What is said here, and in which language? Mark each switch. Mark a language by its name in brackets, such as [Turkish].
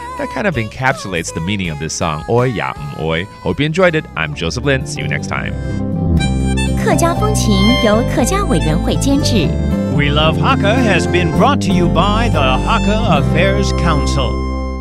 [English] That kind of encapsulates the meaning of this song, 爱抑毋爱. Hope you enjoyed it. I'm Joseph Lin. See you next time. [Chinese] 客家风情由客家委员会监制. [English] We Love Hakka has been brought to you by the Hakka Affairs Council.